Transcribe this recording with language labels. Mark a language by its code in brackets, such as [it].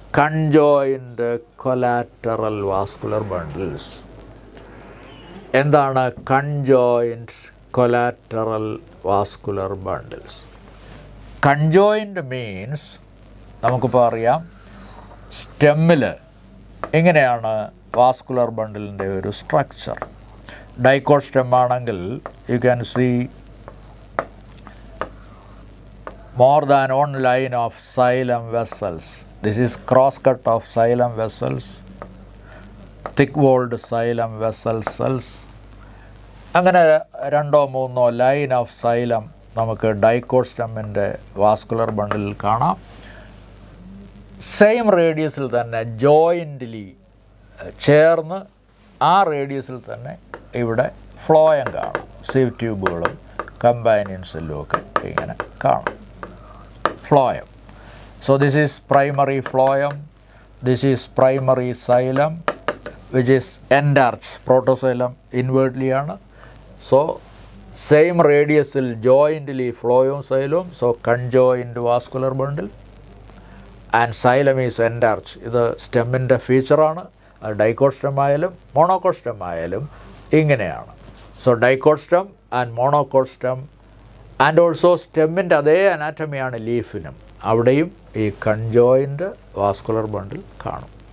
[ml] Conjoint collateral vascular bundles, എന്താണ് conjoint collateral vascular bundles? Conjoint means നമുക്കിപ്പോൾ അറിയാം സ്റ്റെമ്മിൽ ഇങ്ങനെയാണ് വാസ്കുലർ ബണ്ടിലിൻ്റെ ഒരു structure. Dicot സ്റ്റെമ്മാണെങ്കിൽ [en] You can see more than one line of xylem vessels. This is crosscut of xylem vessels, thick-walled xylem vessel cells. [ml] അങ്ങനെ രണ്ടോ മൂന്നോ line of xylem നമുക്ക് dicot സ്റ്റെമ്മിൻ്റെ vascular ബണ്ടിലിൽ കാണാം. Same റേഡിയസിൽ തന്നെ ജോയിൻ്റിലി ചേർന്ന് ആ റേഡിയസിൽ തന്നെ ഇവിടെ ഫ്ലോയം കാണും. സീവ് ട്യൂബുകളും കമ്പാനിയൻസിലും ഒക്കെ ഇങ്ങനെ കാണും phloem. [en] So this is primary phloem, this is primary xylem, which is endarch, protozoelum inwardly ആണ്. So, same radiusിൽ jointly flowing xylem, so conjoined vascular bundle, and xylem is endarch. [ml] ഇത് സ്റ്റെമ്മിൻ്റെ ഫീച്ചറാണ്. അത് ഡൈക്കോട്ട് സ്റ്റെം ആയാലും monocot stem ആയാലും ഇങ്ങനെയാണ്. [en] So, dicot stem and monocot stem and also [ml] സ്റ്റെമ്മിൻ്റെ അതേ അനാറ്റമിയാണ് ലീഫിനും. അവിടെയും ഈ conjoint vascular ബണ്ടിൽ കാണും.